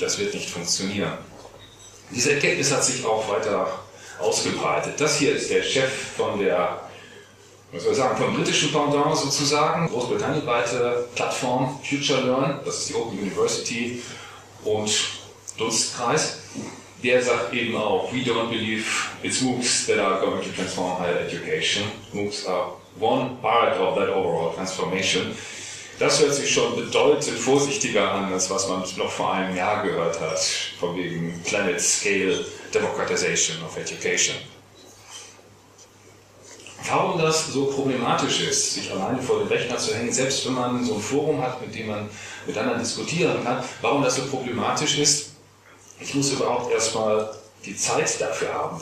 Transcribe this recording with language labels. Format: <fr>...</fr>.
<de>Das wird nicht funktionieren. Diese Erkenntnis hat sich auch weiter ausgebreitet. Das hier ist der Chef von der, was soll ich sagen, vom britischen Pendant sozusagen, Großbritannien-weite Plattform FutureLearn, das ist die Open University und Dunstkreis. Der sagt eben auch,</de> <en>we don't believe it's MOOCs that are going to transform higher education. MOOCs are one part of that overall transformation.</en> <de>Das hört sich schon bedeutend vorsichtiger an, als was man noch vor einem Jahr gehört hat, von wegen</de> <en>Planet Scale Democratization of Education.</en> <de>Warum das so problematisch ist, sich alleine vor den Rechner zu hängen, selbst wenn man so ein Forum hat, mit dem man mit anderen diskutieren kann, warum das so problematisch ist, ich muss überhaupt erstmal die Zeit dafür haben.</de>